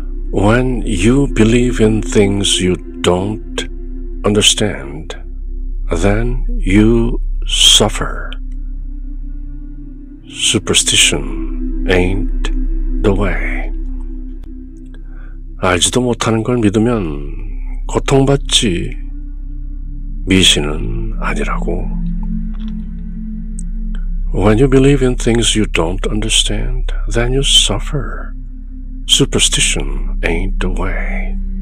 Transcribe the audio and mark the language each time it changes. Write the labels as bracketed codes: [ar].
[en] When you believe in things you don't understand, then you suffer. Superstition ain't the way. [ko] 알지도 못하는 걸 믿으면 고통받지 미신은 아니라고. [en] When you believe in things you don't understand, then you suffer. Superstition ain't the way.